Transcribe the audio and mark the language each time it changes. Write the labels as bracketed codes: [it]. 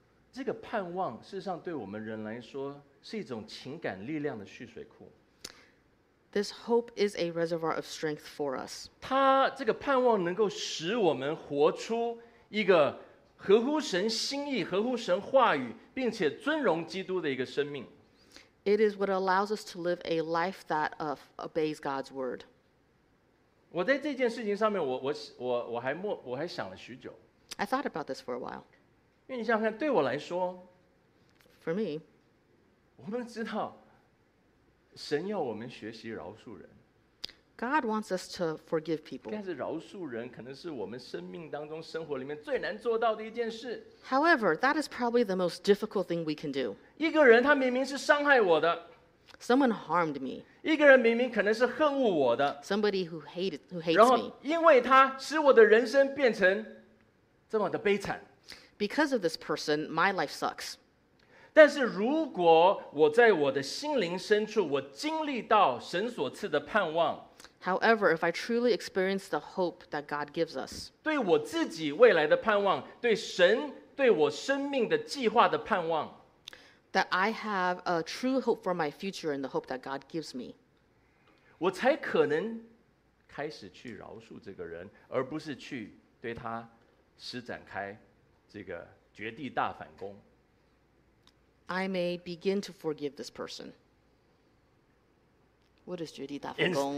[zh] 这个盼望，事实上对我们人来说，是一种情感力量的蓄水库。 [en] This hope is a reservoir of strength for us. [zh] 它这个盼望能够使我们活出一个合乎神心意、合乎神话语，并且尊荣基督的一个生命。 [en] It is what allows us to live a life that obeys God's word. [zh] 我在这件事情上面，我还想了许久。 [en] I thought about this for a while. [zh] 因为你想想看，对我来说 [en] ，For me， [zh] 我们知道神要我们学习饶恕人。 [en] God wants us to forgive people. [zh] 但是饶恕人可能是我们生命当中生活里面最难做到的一件事。 [en] However, that is probably the most difficult thing we can do. [zh] 一个人他明明是伤害我的。 [en] Someone harmed me. [zh] 一个人明明可能是恨恶我的。 [en] Somebody who hates me. [zh] 然后因为他使我的人生变成这么的悲惨。 [en] Because of this person, my life sucks. [zh] 但是如果我在我的心灵深处，我经历到神所赐的盼望。 [en] However, if I truly experience the hope that God gives us, [zh] 对我自己未来的盼望，对神对我生命的计划的盼望。 [en] That I have a true hope for my future and the hope that God gives me. [zh] 我才可能开始去饶恕这个人，而不是去对他施展开这个绝地大反攻。 [en] I may begin to forgive this person. What is [zh] 绝地大反攻？